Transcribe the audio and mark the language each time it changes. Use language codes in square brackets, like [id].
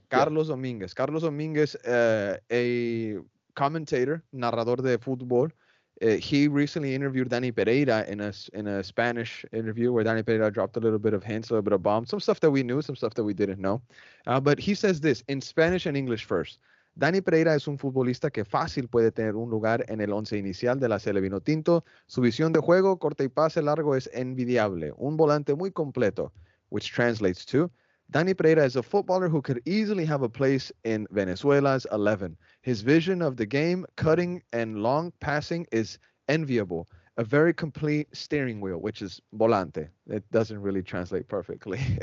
[en] Carlos Dominguez. Carlos Dominguez, a commentator, [es] narrador de fútbol. [en] He recently interviewed Dani Pereira in a Spanish interview where Dani Pereira dropped a little bit of hints, a little bit of bombs, some stuff that we knew, some stuff that we didn't know. But he says this in Spanish and English first. [es] Dani Pereira es un futbolista que fácil puede tener un lugar en el once inicial de la Cele Vinotinto. Su visión de juego, corte y pase largo, es envidiable. Un volante muy completo, [en] which translates to, Dani Pereira is a footballer who could easily have a place in Venezuela's 11. His vision of the game, cutting and long passing, is enviable. A very complete steering wheel, which is volante. It doesn't really translate perfectly.